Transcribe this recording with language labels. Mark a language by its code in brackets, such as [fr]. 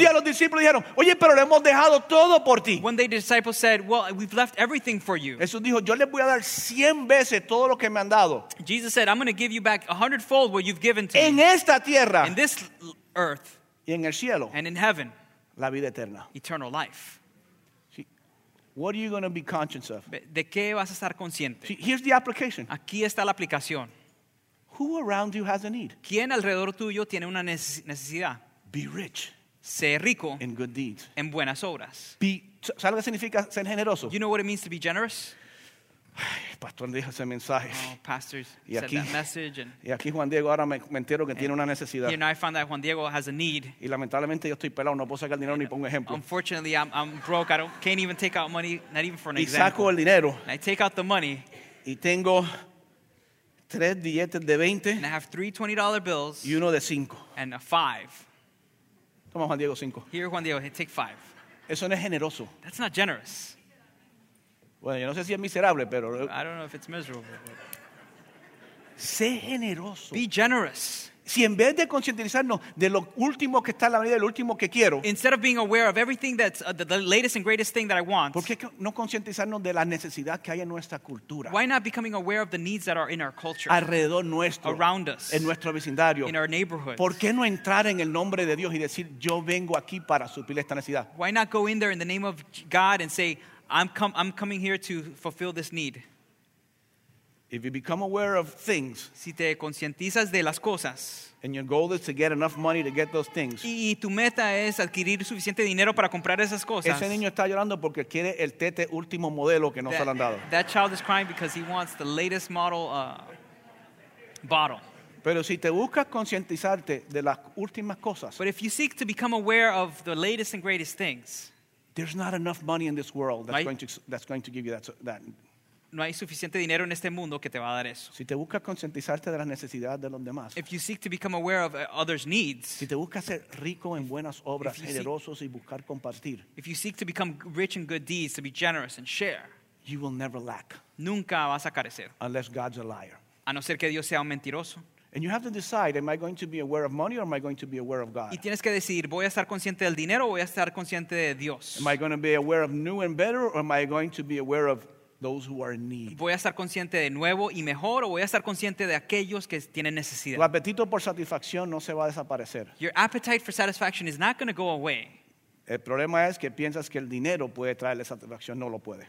[es] Un día los discípulos dijeron, oye, pero le hemos dejado todo por ti. [en] One day the disciples said, well, we've left everything for you. [es] Jesús dijo, yo les voy a dar 100 veces todo lo que me han dado. [en] Jesus said, I'm going to give you back 100-fold what you've given to [es] en [en] me. [es] En esta tierra. [en] In this earth. [es] Y en el cielo, [en] and in heaven, [es] la vida eterna. [en] Eternal life. See, what are you going to be conscious of? [es] ¿De qué vas a estar consciente? [en] See, here's the application. [es] Aquí está la aplicación. [en] Who around you has a need? [es] ¿Quién alrededor tuyo tiene una necesidad? [en] Be rich. [es] Sé rico. [en] In good deeds. [es] En buenas obras. ¿Sabes lo que significa ser generoso? [en] You know what it means to be generous? [es] Ay, pastor dijo ese mensaje. [en] Oh, pastors [es] y aquí, [en] said that message. And, [es] y aquí Juan Diego ahora me entero que and, tiene una necesidad. [en] You know, I found that Juan Diego has a need. [es] Y lamentablemente yo estoy pelado, no puedo sacar dinero ni pongo ejemplo. [en] Unfortunately, I'm broke. I can't even take out money, not even for an [es] y [en] example. [es] Y saco el dinero. [en] And I take out the money. [es] Y tengo tres billetes de 20. [en] And I have three $20 bills. [es] Y uno de 5. [en] And a 5. [es] Toma Juan Diego 5. [en] Here, Juan Diego, take 5. [es] Eso no es generoso. [en] That's not generous. [es] Bueno, yo no sé si es miserable, pero [en] I don't know if it's miserable. [es] Sé generoso. [en] Be generous. [es] Si en vez de concientizarnos de lo último que está en la vida, lo último que quiero, [en] instead of being aware of everything that's the latest and greatest thing that I want, [es] ¿por qué no concientizarnos de la necesidad que hay en nuestra cultura? [en] Why not becoming aware of the needs that are in our culture? [es] Alrededor nuestro. [en] Around us. [es] En nuestro vecindario. [en] In our neighborhood. [es] ¿Por qué no entrar en el nombre de Dios y decir, yo vengo aquí para suplir esta necesidad? [en] Why not go in there in the name of God and say, I'm coming here to fulfill this need. If you become aware of things, [es] si te concientizas de las cosas, [en] and your goal is to get enough money to get those things, [es] y tu meta es adquirir suficiente dinero para comprar esas cosas, ese niño está llorando porque quiere el tete último modelo que no se le han dado. [en] That child is crying because he wants the latest model bottle. [es] Pero si te buscas concientizarte de las últimas cosas, [en] but if you seek to become aware of the latest and greatest things, there's not enough money in this world that's going to give you that. [es] No hay suficiente dinero en este mundo que te va a dar eso. Si te buscas concientizarte de las necesidades de los demás. [en] If you seek to become aware of others' needs. [es] Si te buscas ser rico en buenas obras, generosos y buscar compartir. [en] If you seek to become rich in good deeds, to be generous and share. You will never lack. [es] Nunca vas a carecer. [en] Unless God's a liar. [es] A no ser que Dios sea un mentiroso. [en] And you have to decide, am I going to be aware of money or am I going to be aware of God? [es] Y tienes que decidir, ¿voy a estar consciente del dinero o voy a estar consciente de Dios? [en] Am I going to be aware of new and better or am I going to be aware of those who are in need? [es] ¿Voy a estar consciente de nuevo y mejor o voy a estar consciente de aquellos que tienen necesidad? El apetito por satisfacción no se va a desaparecer. [en] Your appetite for satisfaction is not going to go away. [es] El problema es que piensas que el dinero puede traerle satisfacción, no lo puede.